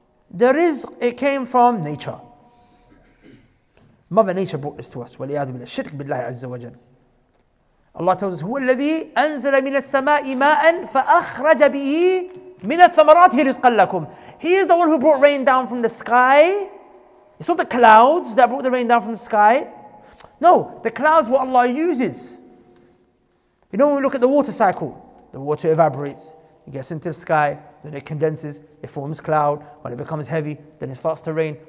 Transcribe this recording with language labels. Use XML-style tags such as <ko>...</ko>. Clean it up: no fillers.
<en>The rizq, it came from nature. Mother Nature brought this to us.</en> <ar>وَلِيَادُ مِنَ الشِّرْكِ بِاللَّهِ عَزَّ وَجَلَّ.</ar> <en>Allah tells us,</en> <ar>هُوَ الَّذِي أَنزَلَ مِنَ السَّمَاءِ مَاءً فَأَخْرَجَ بِهِ مِنَ الثَّمَرَاتِ رِزْقًا لَكُمْ.</ar> <en>He is the one who brought rain down from the sky. It's not the clouds that brought the rain down from the sky. No, the clouds what Allah uses. You know, when we look at the water cycle, the water evaporates, it gets into the sky, then it condenses, it forms cloud, when it becomes heavy, then it starts to rain.</en>